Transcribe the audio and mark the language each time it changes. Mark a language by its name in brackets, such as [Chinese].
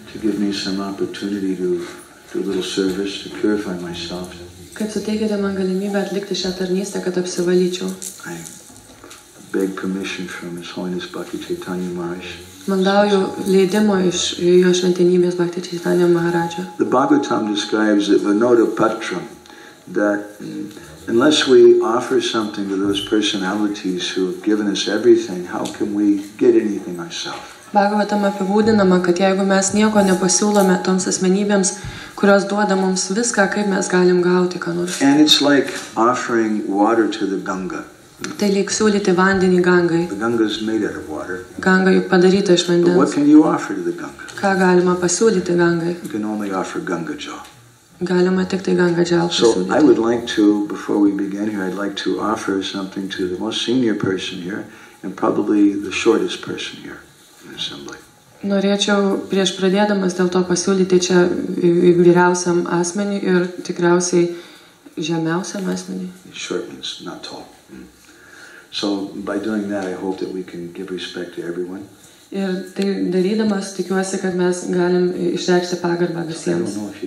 [Lithuanian] Kad suteikėte man galimybę atlikti šią tarnystę, kad apsivalyčiau. [English] I beg permission from His Holiness Bhakti Chaitanya Maharaj. [Lithuanian] Maldauju leidimo iš jo šventenybės Bhakti Chaitanya Maharaja. [English] The Bhagavatam describes it Vinoda Patram, that unless we offer something to those personalities who have given us everything, how can we get anything ourselves? [Lithuanian] Bhagavatam apibūdinama, kad jeigu mes nieko nepasiūlome toms asmenybėms, kurios duoda mums viską, kaip mes galim gauti ką nors. [English] And it's like offering water to the Ganga. [Lithuanian] Tai lyg siūlyti vandenį Gangai. [English] The Ganga is made out of water. [Lithuanian] Ganga juk padaryta iš vandens. [English] But what can you offer to the Ganga? [Lithuanian] Ką galima pasiūlyti Gangai? [English] You can only offer Ganga Jal. [Lithuanian] Galima tik tai Ganga Jal pasiūlyti. [English] So I would like to, before we begin here, I'd like to offer something to the most senior person here and probably the shortest person here in assembly. [Lithuanian] Norėčiau prieš pradėdamas dėl to pasiūlyti čia vyriausiam asmeniui ir tikriausiai žemiausiam asmeniui. [English] Short means not tall. So by doing that I hope that we can give respect to everyone. [Lithuanian] Ir tai darydamas tikiuosi, kad mes galim išreikšti pagarbą visiems.